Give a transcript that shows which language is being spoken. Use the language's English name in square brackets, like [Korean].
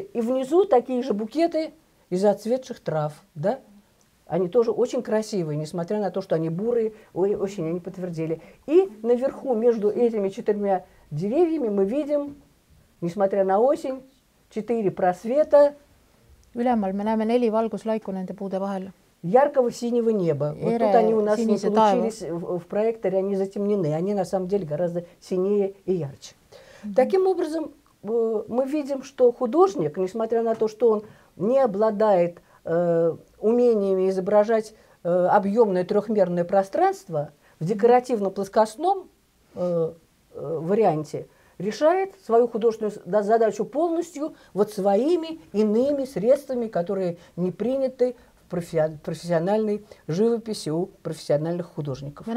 [Russian] И внизу такие же букеты из отцветших трав. Да? Они тоже очень красивые, несмотря на то, что они бурые. Ой, очень они подтвердили. И наверху между этими четырьмя деревьями мы видим, несмотря на осень, четыре просвета. [Estonian] Ülemal me näeme neli valguslaiku nende puude vahel. [Russian] Яркого синего неба. Вот тут они у нас не получились в проекторе, они затемнены. Они на самом деле гораздо синее и ярче. Таким образом, мы видим, что художник, несмотря на то, что он не обладает умениями изображать объемное трехмерное пространство, в декоративно-плоскостном варианте, решает свою художественную задачу полностью вот своими иными средствами, которые не приняты в профессиональной живописи у профессиональных художников.